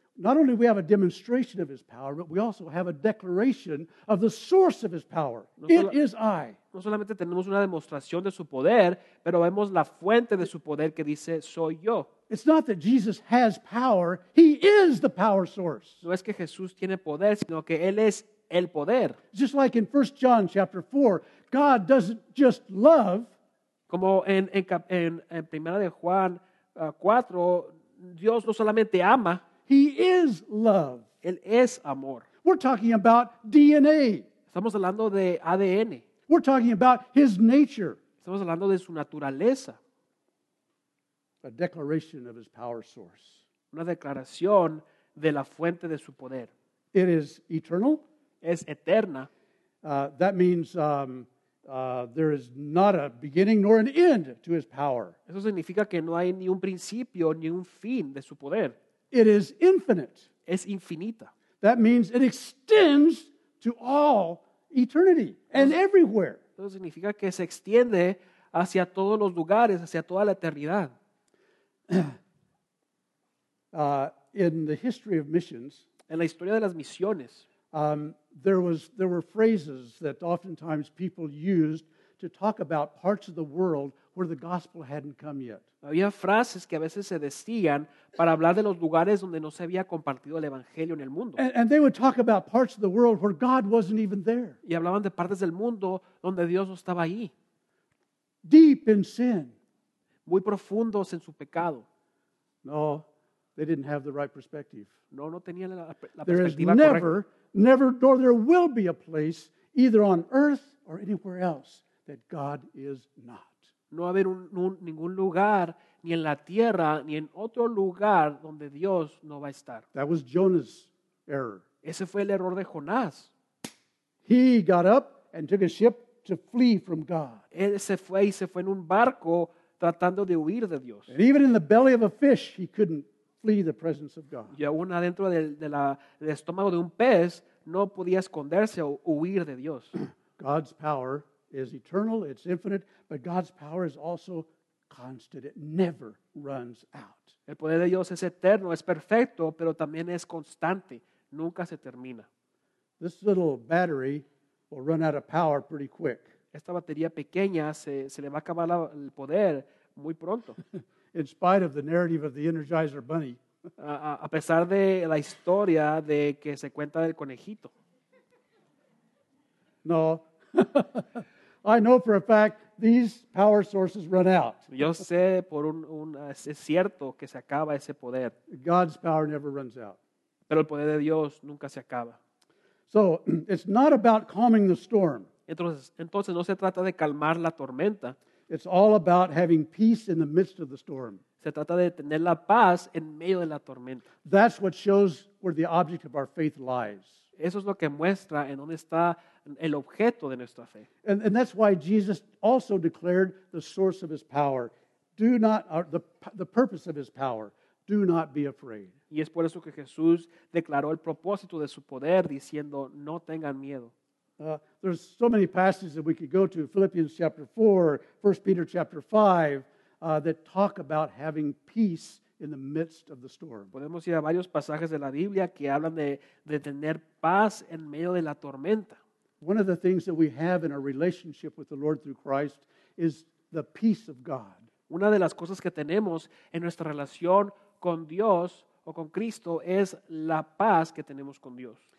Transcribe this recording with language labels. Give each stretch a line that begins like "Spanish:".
English: not only do we have a demonstration of his power, but we also have a declaration of the source of his power. It is I.
Spanish: No solamente tenemos una demostración de su poder, pero vemos la fuente de su poder que dice, soy yo.
English: It's not that Jesus has power, he is the power source.
Spanish: No es que Jesús tiene poder, sino que él es el poder.
English: Just like in 1 John chapter 4, God doesn't just love.
Spanish: Como en Primera de Juan 4, Dios no solamente ama.
English: He is love.
Spanish: Él es amor.
English: We're talking about DNA.
Spanish: Estamos hablando de ADN.
English: We're talking about his nature.
Spanish: Estamos hablando de su naturaleza.
English: A declaration of his power source.
Spanish: Una declaración de la fuente de su poder.
English: It is eternal.
Spanish: Es eterna.
English: That means there is not a beginning nor an end to his power.
Spanish: Eso significa que no hay ni un principio ni un fin de su poder.
English: It is infinite.
Spanish: Es infinita.
English: That means it extends to all eternity and everywhere.
Spanish: Eso significa que se extiende hacia todos los lugares, hacia toda la eternidad.
English: In the history of missions,
Spanish: en la historia de las misiones,
English: there were phrases that oftentimes people used to talk about parts of the world where the gospel hadn't come yet.
Spanish: Había frases que a veces se decían para hablar de los lugares donde no se había compartido el evangelio en el mundo.
English: And they would talk about parts of the world where God wasn't even there.
Spanish: Y hablaban de partes del mundo donde Dios no estaba ahí.
English: Deep in sin.
Spanish: Muy profundos en su pecado.
English: No, they didn't have the right perspective.
Spanish: No tenían la perspectiva
English: there is
Spanish: correcta.
English: Never, nor there will be a place, either on earth or anywhere else, that God is not.
Spanish: No haber ningún lugar, ni en la tierra, ni en otro lugar donde Dios no va a estar.
English: That was Jonah's error.
Spanish: Ese fue el error de Jonás.
English: He got up and took a ship to flee from God.
Spanish: Él se fue y se fue en un barco tratando de huir de Dios.
English: And even in the belly of a fish, he couldn't flee the presence of God.
Spanish: Y aún adentro del estómago de un pez no podía esconderse o huir de Dios.
English: God's power is eternal, it's infinite, but God's power is also constant. It never runs out.
Spanish: El poder de Dios es eterno, es perfecto, pero también es constante. Nunca se termina.
English: This little battery will run out of power pretty quick.
Spanish: Esta batería pequeña se le va a acabar el poder muy pronto.
English: In spite of the narrative of the Energizer Bunny.
Spanish: A pesar de la historia de que se cuenta del conejito.
English: No. I know for a fact these power sources run out.
Spanish: Yo sé por es cierto que se acaba ese poder.
English: God's power never runs out.
Spanish: Pero el poder de Dios nunca se acaba.
English: So, it's not about calming the storm.
Spanish: Entonces no se trata de calmar la tormenta.
English: It's all about having peace in the midst of the storm.
Spanish: Se trata de tener la paz en medio de la tormenta.
English: That's what shows where the object of our faith lies.
Spanish: Eso es lo que muestra en dónde está el objeto de nuestra fe.
English: And that's why Jesus also declared the source of his power. Do not the purpose of his power. Do not be afraid.
Spanish: Y es por eso que Jesús declaró el propósito de su poder diciendo, no tengan miedo.
English: There's so many passages that we could go to, Philippians chapter 4, 1 Peter chapter 5, that talk about having peace in the midst of the storm.
Spanish: Podemos ir a varios pasajes de la Biblia que hablan de tener paz en medio de la tormenta.
English: One of the things that we have in our relationship with the Lord through Christ is the peace of God.
Spanish: Una de las cosas que tenemos en nuestra relación con Dios o con Cristo es la paz que tenemos con Dios.